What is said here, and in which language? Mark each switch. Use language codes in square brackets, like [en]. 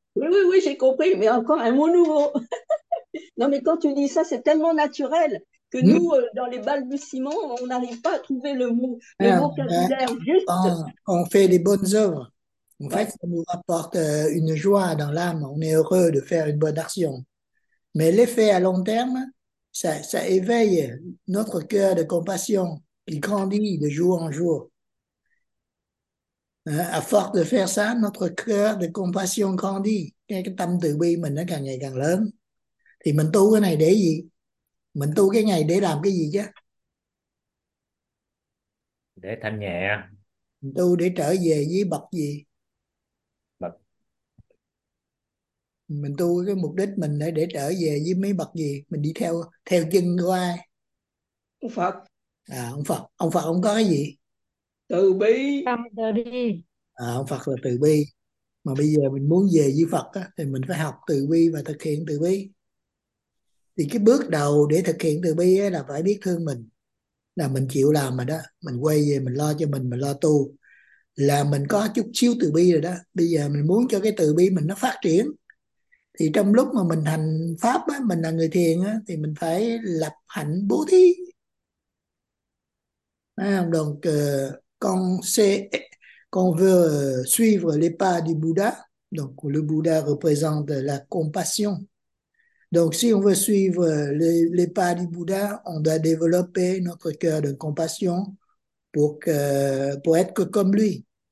[fr] Oui, j'ai compris, mais encore un mot nouveau. Non, mais quand tu dis ça, c'est tellement naturel que nous, dans les balbutiements, on n'arrive pas à trouver le vocabulaire juste. On fait des bonnes œuvres, en Ouais. fait, ça nous rapporte une joie dans l'âme. On est heureux de faire une bonne action, mais l'effet à long terme, ça éveille notre cœur de compassion qui grandit de jour en jour. À force de faire ça, notre cœur de compassion grandit, [vi] cái tâm từ bi mình nó càng ngày càng lớn. Thì mình tu cái này để gì? Mình tu cái này để làm cái gì chứ? Để thanh nhẹ, Tu để trở về với bậc gì? Mình tu cái mục đích mình để trở về với mấy bậc gì? Mình đi theo theo chân của ai? Phật À, ông Phật. Ông Phật ông có cái gì? từ bi Tâm từ bi. À, ông Phật là từ bi. Mà bây giờ mình muốn về với Phật á, thì mình phải học từ bi và thực hiện từ bi. Thì cái bước đầu để thực hiện từ bi á, là phải biết thương mình, là mình chịu làm rồi đó, mình quay về mình lo cho mình lo tu, là mình có chút xíu từ bi rồi đó. Bây giờ mình muốn cho cái từ bi mình nó phát triển, thì trong lúc mà mình hành pháp á, mình là người thiền á, thì mình phải lập hạnh bố thí. [fr] Donc, quand on veut suivre les pas du Bouddha, donc le Bouddha représente la compassion. Donc, si on veut suivre les pas du Bouddha, on doit développer notre cœur de compassion pour être que comme lui.